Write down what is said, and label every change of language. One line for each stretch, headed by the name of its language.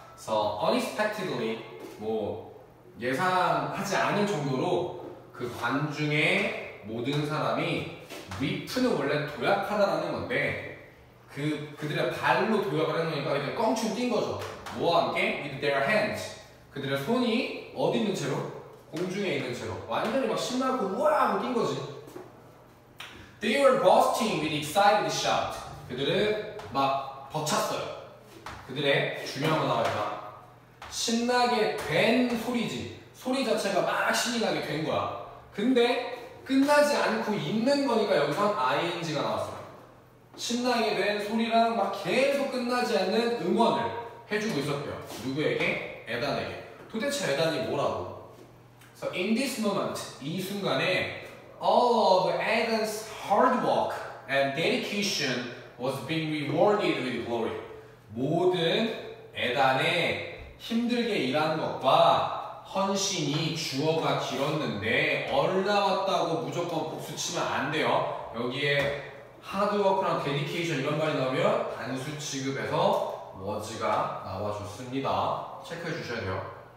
English: So unexpectedly,
Korean: 뭐 예상하지 않을 정도로 그 관중의 모든 사람이 리프는 원래 도약하다라는 건데 그들의 발로 도약을 하는 거니까 이제 껑충 뛴 거죠. 뭐와 함께?
English: With their hands.
Korean: 그들의 손이 어디 있는 채로? 공중에 있는 채로. 완전히 막 신나고 우와 하고 뛴 거지.
English: They were bursting with excited shout.
Korean: 그들은 막 벅찼어요. 그들의 중요한 단어가 신나게 된 소리지. 소리 자체가 막 신이 나게 된 거야. 근데 끝나지 않고 있는 거니까 여기서 ing가 나왔어요. 신나게 된 소리랑 막 계속 끝나지 않는 응원을 해주고 있었대요. 누구에게? 에단에게. 도대체 에단이 뭐라고?
English: So in this moment,
Korean: 이 순간에
English: all of Eden's hard work and dedication was being rewarded with glory.
Korean: 모든 에단의 힘들게 일하는 것과 헌신이 주어가 길었는데 얼나왔다고 무조건 복수치면 안 돼요. 여기에 하드워크랑 데디케이션 이런 말이 나오면 단수 취급해서 워즈가 나와줬습니다. 체크해 주셔야 돼요.